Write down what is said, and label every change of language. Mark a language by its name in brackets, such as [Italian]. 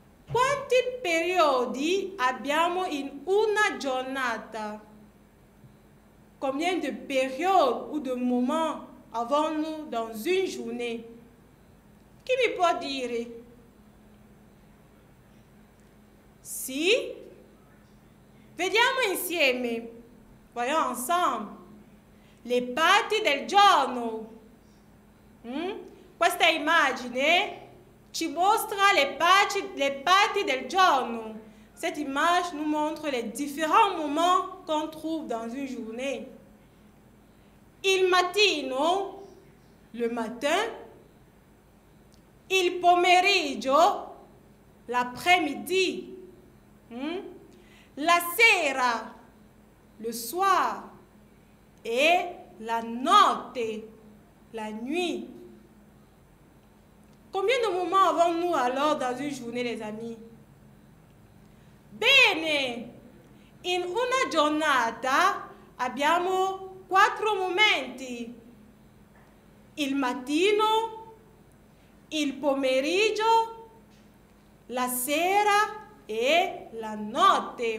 [Italian] Quanti periodi abbiamo in una giornata? [French] Combien de périodes ou de moments avons-nous dans une journée? Qui me peut dire? [Italian] Si, vediamo insieme, [French] voyons ensemble, [Italian] le parti del giorno. Questa immagine ci mostra le parti del giorno. Cette image nous montre les différents moments qu'on trouve dans une journée. Il mattino, le matin. Il pomeriggio, l'après-midi. [French] La sera, le soir. Et la notte, la nuit. Combien de moments avons-nous alors dans une journée, les amis? [Italian] Bene, in una giornata abbiamo quattro momenti. Il mattino, il pomeriggio, la sera e la notte.